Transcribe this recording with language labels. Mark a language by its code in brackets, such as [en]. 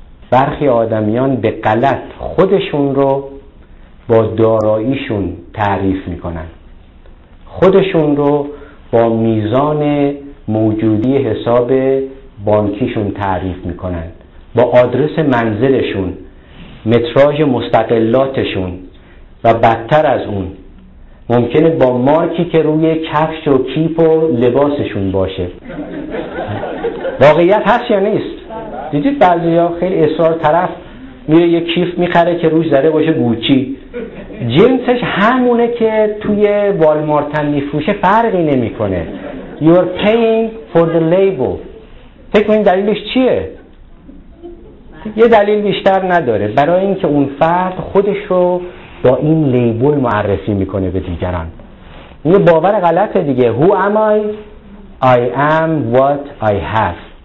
[fa] برخی آدمیان به غلط خودشون رو با داراییشون تعریف میکنن، خودشون رو با میزان موجودی حساب بانکیشون تعریف میکنن، با آدرس منزلشون، متراژ مستقلاتشون و بدتر از اون ممکنه با مارکی که روی کفش و کیپ و لباسشون باشه. واقعیت هست یا نیست؟ دیدید بعضی ها خیلی اصرار طرف میره یه کیف میخره که روش زده باشه گوچی، جنسش همونه که توی والمارت هم میفروشه، فرقی نمیکنه. [en] You are paying for the label. [fa] فکر کنید دلیلش چیه؟ یه دلیل بیشتر نداره، برای اینکه اون فرد خودش رو با این لیبل معرفی میکنه به دیگران. یه باور غلطه دیگه. [en] Who am I? I am what I have.